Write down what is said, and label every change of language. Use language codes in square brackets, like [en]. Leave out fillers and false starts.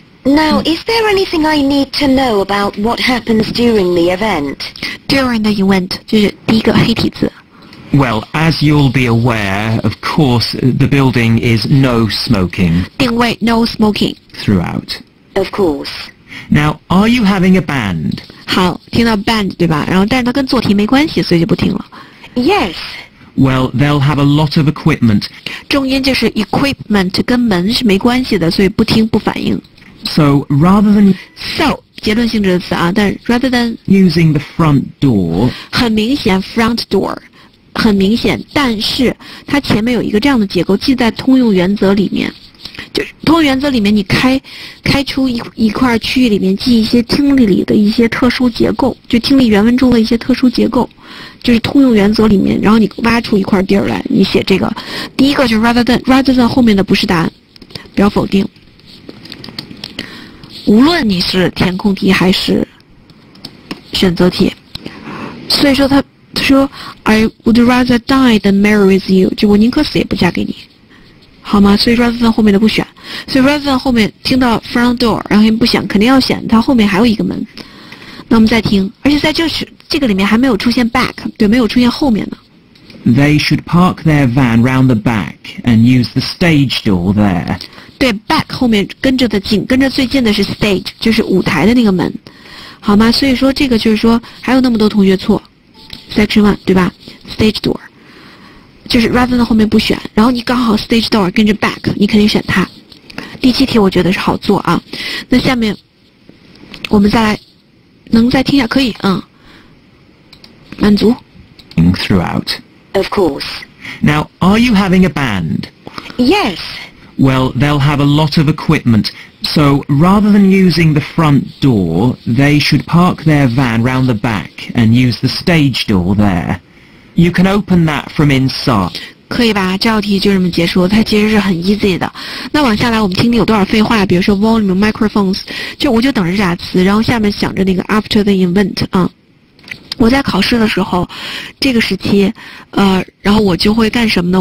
[en] Now, is there anything I need to know about what happens during the event? During the event, [zh] 就是第一个黑体字。 [en] Well, as you'll be aware, of course, the building is no smoking. [zh] 定位 [en] no smoking. Throughout. Of course. Now, are you having a band? [zh] 好，听到 band 对吧？然后，但是它跟做题没关系，所以就不听了。 [en] Yes. Well, they'll have a lot of equipment. [zh] 重音就是 equipment， 跟门是没关系的，所以不听不反应。 [en] So rather than [zh] so 结论性质的词啊，但 [en] rather than using the front door， [zh] 很明显 front door， 很明显，但是它前面有一个这样的结构，记在通用原则里面。就是通用原则里面，你开出一块区域里面记一些听力里的一些特殊结构，就听力原文中的一些特殊结构，就是通用原则里面，然后你挖出一块地儿来，你写这个。第一个就是 rather than 后面的不是答案，不要否定。无论你是填空题还是选择题，所以说他说 [en] I would rather die than marry with you， [zh] 就我宁可死也不嫁给你。好吗？所以 rather than 后面的不选，所以 rather than 后面听到 front door， 然后不选，肯定要选，它后面还有一个门。那我们再听，而且在这个里面还没有出现 back， 对，没有出现后面呢。 [en] They should park their van round the back and use the stage door there. [zh] 对 ，back 后面跟着的紧跟着最近的是 stage， 就是舞台的那个门，好吗？所以说这个就是说还有那么多同学错 ，section one 对吧 ？stage door。就是 rather than 后面不选，然后你刚好 stage door 跟着 back， 你肯定选它。第七题我觉得是好做啊。那下面我们再来，能再听一下？可以，嗯，满足。 [en] Throughout. Of course. Now, are you having a band? Yes. Well, they'll have a lot of equipment, so rather than using the front door, they should park their van round the back and use the stage door there. You can open that from inside. [zh] 可以吧？这道题就这么结束。它其实是很 easy 的。那往下来，我们听听有多少废话。比如说 volume microphones， 就我就等着这俩词，然后下面想着那个 after the event 啊。我在考试的时候，这个时期，然后我就会干什么呢？